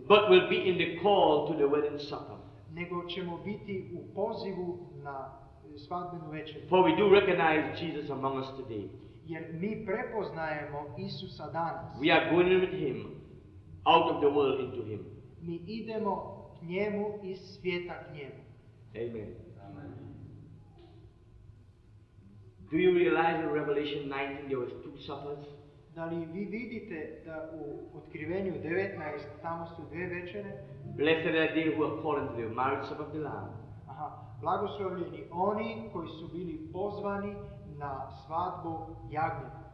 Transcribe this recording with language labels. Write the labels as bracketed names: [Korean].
[English] But we'll be in the call to the wedding supper. [Croatian] Nego ćemo biti u pozivu na svadbenu večer. [English] For we do recognize Jesus among us today. [Croatian] Jer mi prepoznajemo Isusa danas. [English] We are going with him out of the world into him. [Croatian] Mi idemo k njemu iz svijeta k njemu. [English] Amen. Amen. Do you realize in Revelation 19 there was two suppers? [Croatian] Da li vi vidite da u Otkrivenju 19 tamo su dvije večere? [English] Blessed are they who are called to the marriage supper of the Lamb. [Croatian] Aha, blagoslovljeni oni koji su bili pozvani na svadbu jagnjeta.